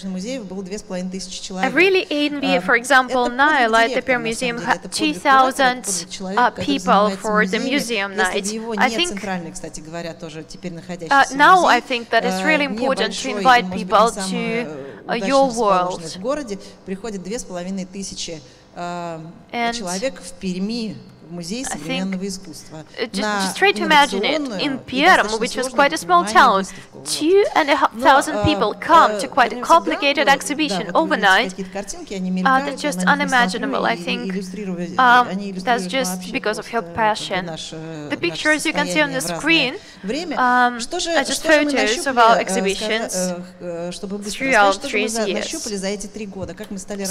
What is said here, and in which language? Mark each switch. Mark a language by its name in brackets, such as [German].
[English] I really envy, for example, Naila at the PERMM Museum had 2,000 people for the museum night. I think now I think that it's really important to invite people to your world. [Russian] В городе приходит 2,500 человек в Перми [English] Just try to imagine it. In PERMM, which is quite a small town, 2,500 people come to quite a complicated exhibition overnight. That's just unimaginable, I think. That's just because of her passion. The pictures you can see on the screen are just photos of our exhibitions throughout 3 years.